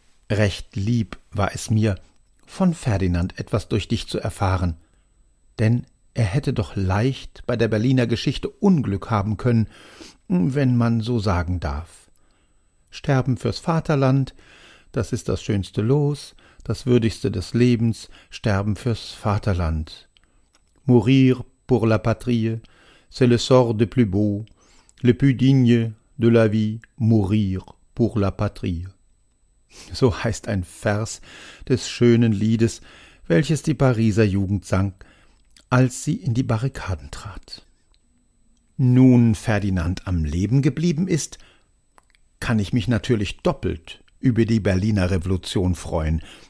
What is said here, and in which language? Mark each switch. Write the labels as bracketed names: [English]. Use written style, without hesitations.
[German] Recht lieb war es mir, von Ferdinand etwas durch dich zu erfahren, denn er hätte doch leicht bei der Berliner Geschichte Unglück haben können, wenn man so sagen darf. Sterben fürs Vaterland, das ist das schönste Los, das würdigste des Lebens, sterben fürs Vaterland. [French] Mourir pour la patrie, c'est le sort de plus beau, le plus digne de la vie, mourir pour la patrie. [German] So heißt ein Vers des schönen Liedes, welches die Pariser Jugend sang, als sie in die Barrikaden trat. Nun Ferdinand am Leben geblieben ist, kann ich mich natürlich doppelt über die Berliner Revolution freuen.